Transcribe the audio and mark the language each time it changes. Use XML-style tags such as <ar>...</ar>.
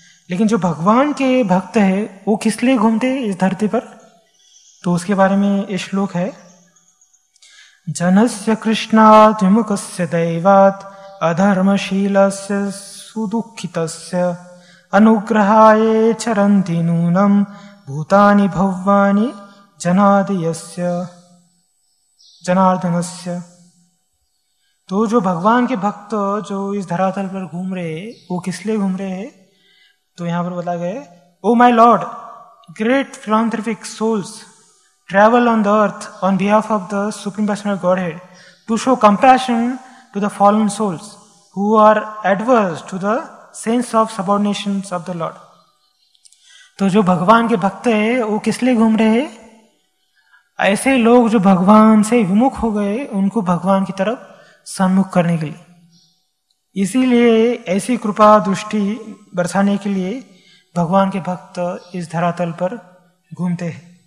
<hi>लेकिन जो भगवान के भक्त है वो किस लिए घूमते हैं इस धरती पर, तो उसके बारे में ये श्लोक है,</hi> <sa>जनस्य कृष्णात् विमुखस्य दैवात् अधर्मशीलस्य सुदुःखितस्य अनुग्रहाय चरन्ति नूनं भूतानि भवानि जनादियस्य जनार्दनस्य।</sa> <hi>तो जो भगवान के भक्त जो इस धरातल पर घूम रहे हैं वो किस लिए घूम रहे हैं, तो यहाँ पर बताया गया,</hi> <en>O my Lord, great philanthropic souls travel on the earth on behalf of the Supreme Personality of Godhead to show compassion to the fallen souls who are adverse to the sense of subordination of the Lord.</en> <hi>तो जो भगवान के भक्त है वो किस लिए घूम रहे हैं, ऐसे लोग जो भगवान से विमुख हो गए उनको भगवान की तरफ सम्मुख करने के लिए, इसीलिए ऐसी कृपा दृष्टि बरसाने के लिए भगवान के भक्त इस धरातल पर घूमते हैं।</hi>